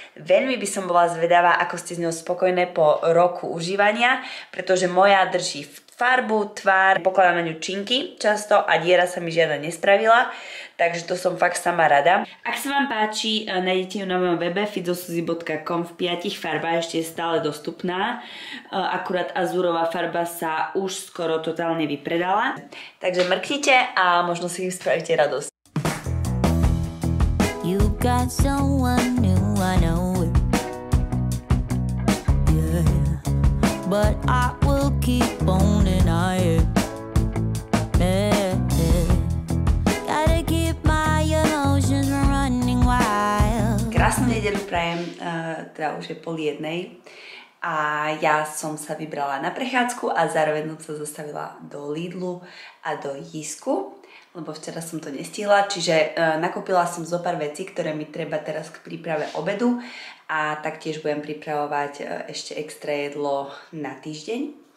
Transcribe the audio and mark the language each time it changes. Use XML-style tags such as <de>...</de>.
<sk>Veľmi by som bola zvedavá, ako ste z ňou spokojné po roku užívania, pretože moja drží farbu, tvár, pokladám na ňu činky často a diera sa mi žiadna nespravila, takže to som fakt sama rada. Ak sa vám páči, nájdete ju na mojom webe fitzosuzi.com v 5 farbách, ešte je stále dostupná. Akurát azúrová farba sa už skoro totálne vypredala. Takže mrknite a možno si im spravíte radosť.</sk> <en>You got someone new, I know it. Yeah, but I will keep on denying it. Yeah, gotta keep my emotions running wild.</en> <sk>Krásnu nedeľu prajem, teda už je pol jednej. A ja som sa vybrala na prechádzku a zároveň som sa zastavila do Lidlu a do Jisku, lebo včera som to nestihla, čiže nakúpila som zo pár vecí, ktoré mi treba teraz k príprave obedu a taktiež budem pripravovať ešte extra jedlo na týždeň.</sk>